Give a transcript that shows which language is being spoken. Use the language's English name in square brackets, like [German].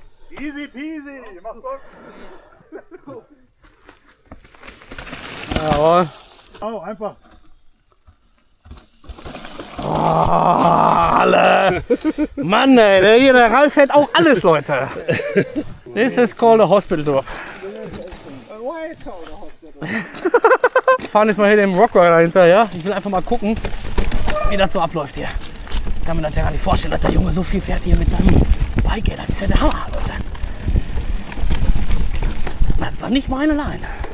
[German] Easy peasy, mach Bock. Jawohl. Oh, einfach. Oh, alle. Mann, ey, der Ralf fährt auch alles, Leute. [English] This is called a hospital drop. Why is it called a hospital drop? [German] Wir fahren jetzt mal hier dem Rockrider hinterher. Ja? Ich will einfach mal gucken, wie das so abläuft hier. Ich kann mir das ja gar nicht vorstellen, dass der Junge so viel fährt hier mit seinem Bike. Das ist ja der Hammer, Leute. Das war nicht meine Leine.